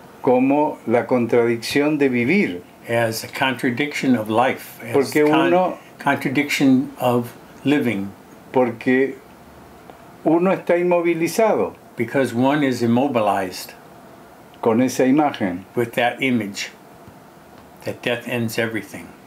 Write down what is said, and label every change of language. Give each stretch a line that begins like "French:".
Spanish: como la contradicción de vivir,
English: as a contradiction of life, as
Spanish: porque uno
English: contradiction of living,
Spanish: porque uno está inmovilizado,
English: because one is immobilized
Spanish: con esa imagen,
English: with that image. That death ends everything.